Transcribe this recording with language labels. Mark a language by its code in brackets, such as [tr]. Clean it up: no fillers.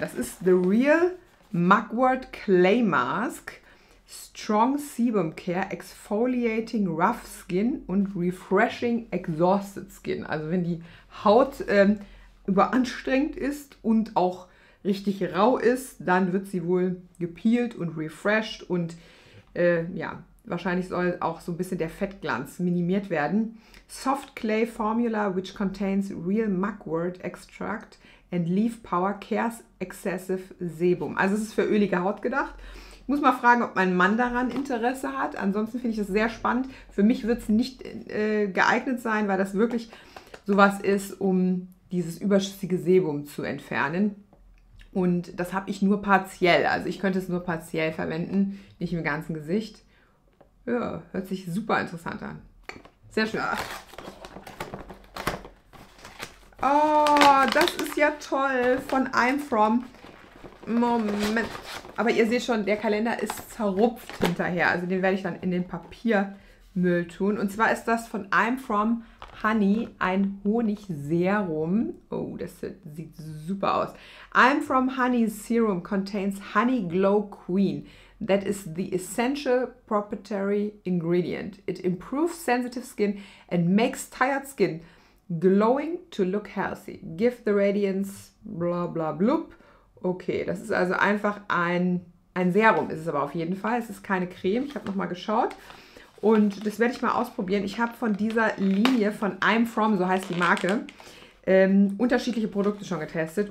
[de] Das ist The Real Mugwort Clay Mask Strong Sebum Care Exfoliating Rough Skin und Refreshing Exhausted Skin. Also wenn die Haut überanstrengend ist und auch richtig rau ist, dann wird sie wohl gepeelt und refreshed. Und ja, wahrscheinlich soll auch so ein bisschen der Fettglanz minimiert werden. [en] Soft Clay Formula, which contains real mugwort extract and leaf power, cares excessive sebum. [de] Also es ist für ölige Haut gedacht. Ich muss mal fragen, ob mein Mann daran Interesse hat. Ansonsten finde ich das sehr spannend. Für mich wird es nicht geeignet sein, weil das wirklich sowas ist, um dieses überschüssige Sebum zu entfernen. Und das habe ich nur partiell. Also ich könnte es nur partiell verwenden, nicht im ganzen Gesicht. Ja, hört sich super interessant an. Sehr schön. Oh, das ist ja toll. Von I'm From. Moment. Aber ihr seht schon, der Kalender ist zerrupft hinterher. Also den werde ich dann in den Papiermüll tun. Und zwar ist das von I'm From Honey ein Honigserum. Oh, das sieht super aus. [en] I'm From Honey Serum contains Honey Glow Queen. That is the essential proprietary ingredient. It improves sensitive skin and makes tired skin glowing to look healthy. Give the radiance, bla bla blub. [de] Okay, das ist also einfach ein Serum, ist es aber auf jeden Fall. Es ist keine Creme, ich habe nochmal geschaut. Und das werde ich mal ausprobieren. Ich habe von dieser Linie, von I'm From, so heißt die Marke, unterschiedliche Produkte schon getestet.